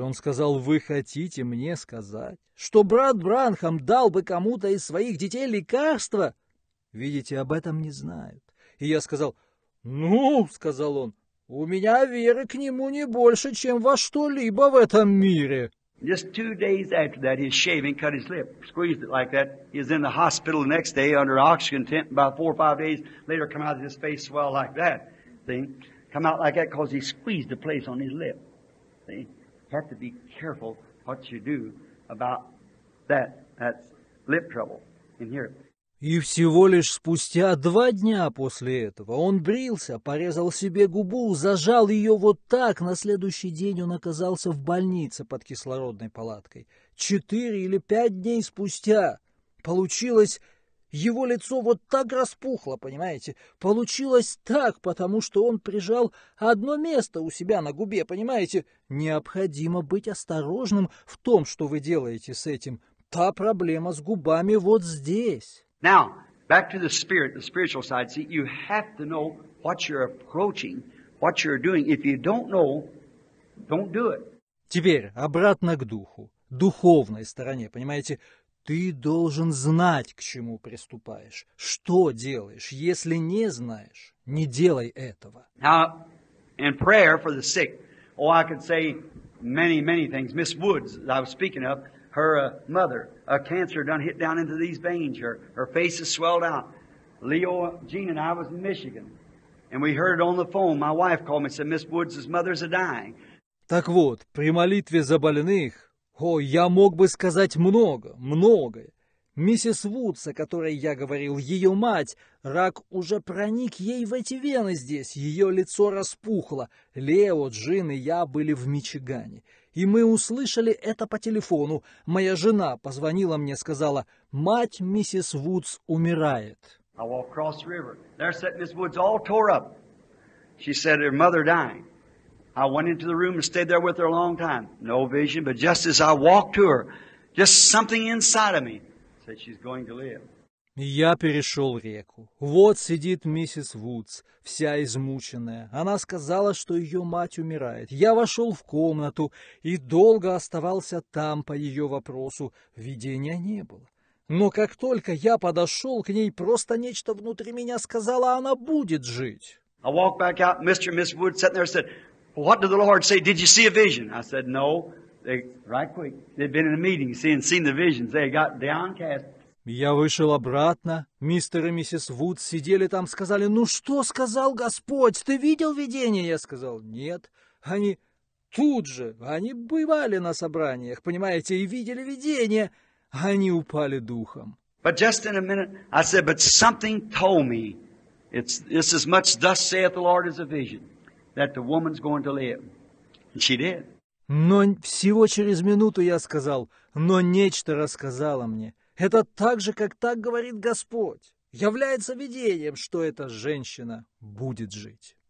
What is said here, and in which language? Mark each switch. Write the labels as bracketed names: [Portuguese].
[Russian] Он сказал, вы хотите мне сказать, что брат Бранхам дал бы кому-то из своих детей лекарство? Видите, об этом не знают. И я сказал, ну, сказал он, у меня веры к нему не больше, чем во что-либо в этом мире. [English] Just 2 days after that, his shaving cut his lip, squeezed it like that. He was in the hospital the next day under oxygen tent. About 4 or 5 days later, come out of his face swell like that. See, come out like that because he squeezed the place on his lip. See, you have to be careful what you do about that. That's lip trouble in here. [Russian] И всего лишь спустя 2 дня после этого он брился, порезал себе губу, зажал ее вот так. На следующий день он оказался в больнице под кислородной палаткой. 4 или 5 дней спустя получилось, его лицо вот так распухло, понимаете? Получилось так, потому что он прижал одно место у себя на губе, понимаете? Необходимо быть осторожным в том, что вы делаете с этим. Та проблема с губами вот здесь. [English] Now, back to the spirit, the spiritual side. See, you have to know what you're approaching, what you're doing. If you don't know, don't do it. [Russian] Теперь обратно к духу, духовной стороне, понимаете? Ты должен знать, к чему приступаешь, что делаешь. Если не знаешь, не делай этого. [English] Now, in prayer for the sick, oh, I could say many, many things. Miss Woods, I was speaking of, her mother, a cancer done hit down into these veins. Her face is swelled out. Leo, Jean, and I was in Michigan, and we heard it on the phone. My wife called me and said, Miss Woods' mother's a dying. [Russian] Так вот, при молитве за больных, о, я мог бы сказать много, многое. Миссис Вудс, о которой я говорил, ее мать, рак уже проник ей в эти вены здесь, ее лицо распухло. Лео, Джин и я были в Мичигане. И мы услышали это по телефону. Моя жена позвонила мне, сказала, мать миссис Вудс умирает. [English] I walked across the river. There sat Miss Woods all tore up. She said her mother dying. I went into the room and stayed there with her a long time. No vision, but just as I walked to her, just something inside of me said she's going to live. [Russian] Я перешел реку. Вот сидит миссис Вудс, вся измученная. Она сказала, что ее мать умирает. Я вошел в комнату и долго оставался там по ее вопросу. Видения не было. Но как только я подошел к ней, просто нечто внутри меня сказало, она будет жить. [English] I walked back out, Mr. and Miss Wood sitting there and said, what did the Lord say? Did you see a vision? I said, no. They, right quick. They've been in a meeting, seen the visions. They got downcast. [Russian] Я вышел обратно. Мистер и миссис Вуд сидели там, сказали, ну что сказал Господь? Ты видел видение? Я сказал, нет. Они тут же, они бывали на собраниях, понимаете, и видели видение. Они упали духом. [English] But just in a minute, I said, but something told me, it's as much thus saith the Lord as a vision, that the woman's going to live. And she did. [Russian] Но всего через минуту я сказал, но нечто рассказало мне. Это так же, как так говорит Господь. Является видением, что эта женщина будет жить.